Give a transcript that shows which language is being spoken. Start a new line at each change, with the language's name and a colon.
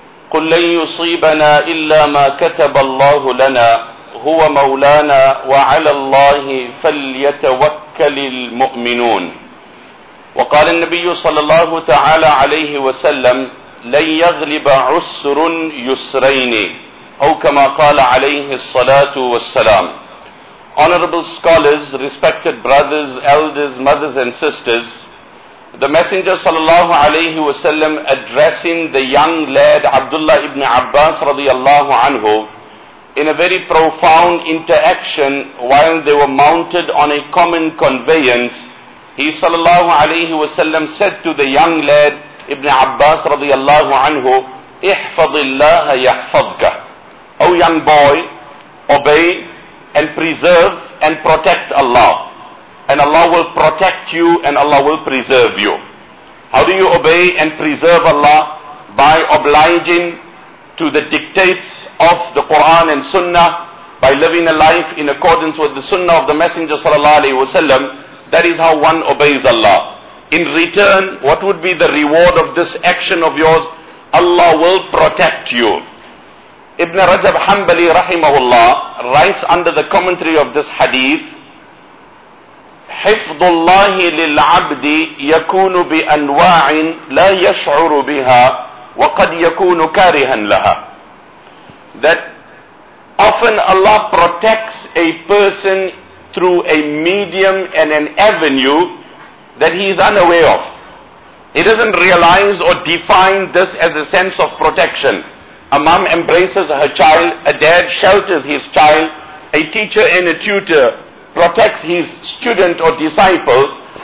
Arabic: قل لن يصيبنا إلا ما كتب الله لنا هو مولانا وعلى الله فليتوكل المؤمنون. وقال النبي صلى الله تعالى عليه وسلم: لن يغلب عسر يسرين، أو كما قال عليه الصلاة والسلام.
English: Honorable scholars, respected brothers, elders, mothers and sisters, the Messenger sallallahu alayhi wa sallam, addressing the young lad Abdullah ibn Abbas radiyallahu anhu, in a very profound interaction while they were mounted on a common conveyance, he sallallahu alayhi wa sallam said to the young lad Ibn Abbas radiyallahu anhu,
Arabic: ihfadillaha yahfazka.
English: O young boy, obey and preserve and protect Allah, and Allah will protect you and Allah will preserve you. How do you obey and preserve Allah? By obliging to the dictates of the Quran and Sunnah, by living a life in accordance with the Sunnah of the Messenger sallallahu alaihi wasallam. That is how one obeys Allah. In return, what would be the reward of this action of yours? Allah will protect you. Ibn Rajab Hanbali rahimahullah writes under the commentary of this hadith:
Arabic: حفظ الله للعبد يكون بأنواع لا يشعر بها وقد يكون كارها لها.
English: That often Allah protects a person through a medium and an avenue that he is unaware of. He doesn't realize or define this as a sense of protection. A mom embraces her child, a dad shelters his child, a teacher and a tutor protects his student or disciple.